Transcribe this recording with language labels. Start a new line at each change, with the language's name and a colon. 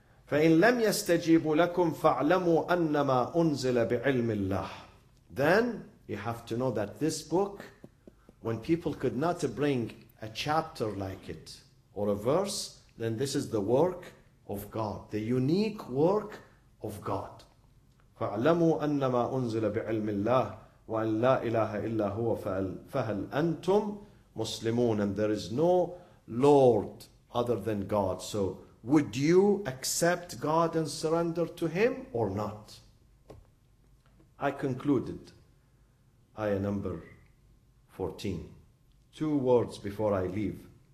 Arabic: فَإِن لَمْ يَسْتَجِيبُ لَكُمْ فَاعْلَمُوا أَنَّمَا أُنزِلَ بِعِلْمِ اللَّهِ.
English: Then you have to know that this book, when people could not bring a chapter like it or a verse, then this is the work of God, the unique work of God.
Arabic: فاعلموا أنما أنزل بعلم الله وأن لا إله إلا هو فهل أنتم مسلمون.
English: And there is no Lord other than God. So would you accept God and surrender to Him or not? I concluded ayah number 14. Two words before I leave.